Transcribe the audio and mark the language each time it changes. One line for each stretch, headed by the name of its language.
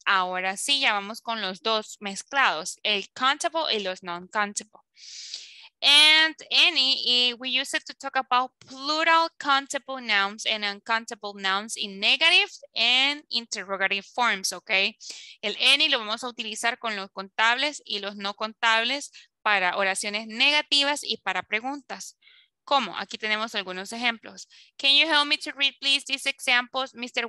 Spanish: Ahora sí, ya vamos con los dos mezclados. El countable y los non-countable.
English: And any, we use it to talk about plural countable nouns and uncountable nouns in negative and interrogative forms, okay?
Spanish: El any lo vamos a utilizar con los contables y los no contables para oraciones negativas y para preguntas. ¿Cómo? Aquí tenemos algunos ejemplos.
English: Can you help me to read, please, these examples, Mr.